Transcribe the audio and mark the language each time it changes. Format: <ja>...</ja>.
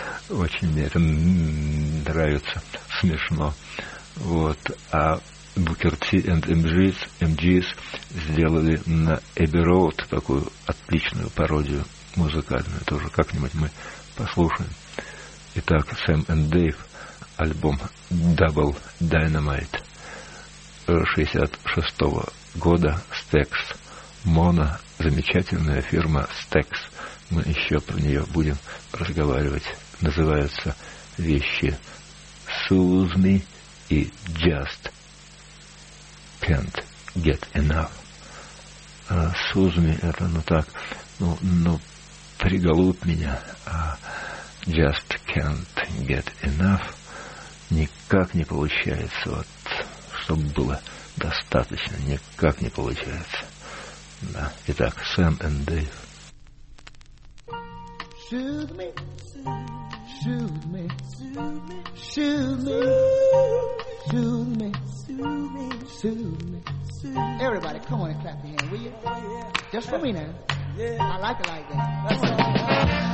<ru>Очень мне это нравится, смешно. Вот. А Booker T and MGs сделали на Abbey Road такую отличную пародию музыкальную. Тоже как-нибудь мы послушаем. Итак, Sam and Dave, альбом Double Dynamite 66-го года, Stax Mono, замечательная фирма Stax. Мы еще про нее будем разговаривать. Называются вещи Soothe Me и Just Can't Get Enough. Soothe Me — это, ну так, ну приголубь меня. А Just Can't Get Enough — никак не получается, вот, чтобы было достаточно, никак не получается. Да. Итак, Sam and Dave.</ru> <en>Soothe me, soothe me, soothe me, soothe me, soothe me, soothe me. Everybody, come on and clap your hands, will you? Just for me now. Yeah. I like it like that.</en>